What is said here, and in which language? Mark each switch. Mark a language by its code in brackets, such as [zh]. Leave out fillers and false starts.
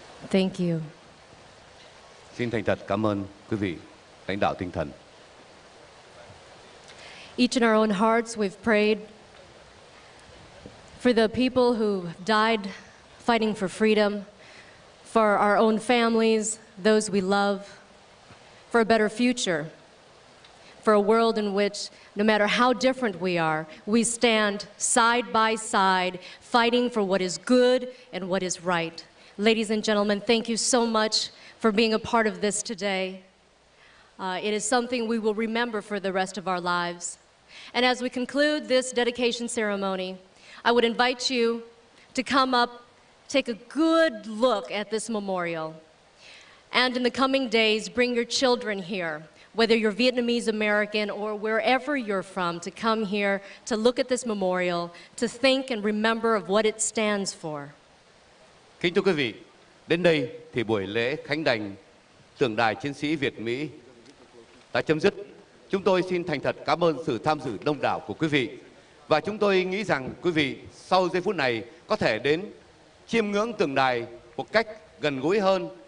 [en] Thank you. [vi] Xin thành thật cảm ơn quý vị lãnh đạo tinh thần. [en] Each in our own hearts, we've prayed for the people who died fighting for freedom, for our own families, those we love, for a better future, for a world in which no matter how different we are, we stand side by side fighting for what is good and what is right. Ladies and gentlemen, thank you so much for being a part of this today. It is something we will remember for the rest of our lives. And as we conclude this dedication ceremony, I would invite you to come up, take a good look at this memorial, and in the coming days, bring your children here, whether you're Vietnamese American or wherever you're from, to come here to look at this memorial, to think and remember of what it stands for. [vi] Kính thưa quý vị, đến đây thì buổi lễ khánh đành tượng đài chiến sĩ Việt Mỹ đã chấm dứt. Chúng tôi xin thành thật cảm ơn sự tham dự đông đảo của quý vị. Và chúng tôi nghĩ rằng quý vị sau giây phút này có thể đến chiêm ngưỡng tượng đài một cách gần gũi hơn.